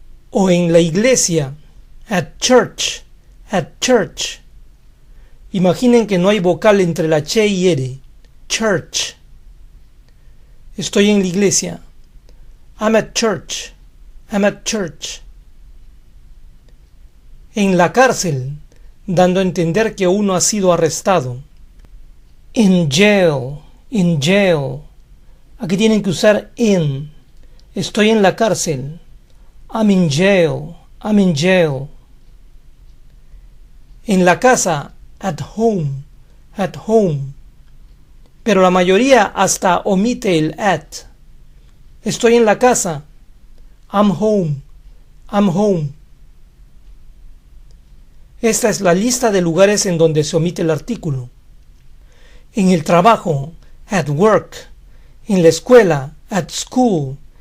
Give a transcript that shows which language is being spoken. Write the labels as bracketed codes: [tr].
[es] O en la iglesia, [en] at church, at church. [es] Imaginen que no hay vocal entre la ch y r. [en] Church. [es] Estoy en la iglesia. [en] I'm at church. I'm at church. [es] En la cárcel, dando a entender que uno ha sido arrestado. [en] In jail, in jail. [es] Aquí tienen que usar in. Estoy en la cárcel. [en] I'm in jail, I'm in jail. [es] En la casa, [en] at home, at home. [es] Pero la mayoría hasta omite el at. Estoy en la casa. [en] I'm home, I'm home. [es] Esta es la lista de lugares en donde se omite el artículo. En el trabajo, [en] at work. [es] En la escuela, [en] at school.